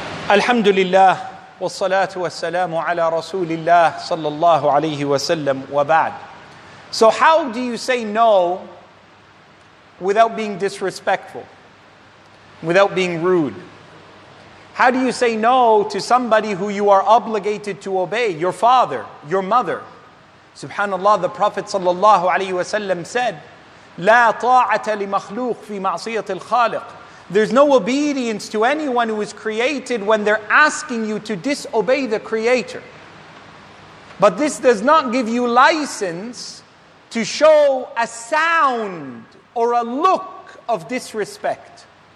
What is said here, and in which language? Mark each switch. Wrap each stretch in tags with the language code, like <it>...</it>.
<ar>الحمد لله والصلاة والسلام على رسول الله صلى الله عليه وسلم وبعد.</ar> <en>So how do you say no without being disrespectful, without being rude? How do you say no to somebody who you are obligated to obey, your father, your mother? Subhanallah, the Prophet</en> <ar>صلى الله عليه وسلم</ar> <en>said,</en> <ar>لا طاعة لمخلوق في معصية الخالق.</ar> <en>There's no obedience to anyone who is created when they're asking you to disobey the Creator. But this does not give you license to show a sound or a look of disrespect.</en>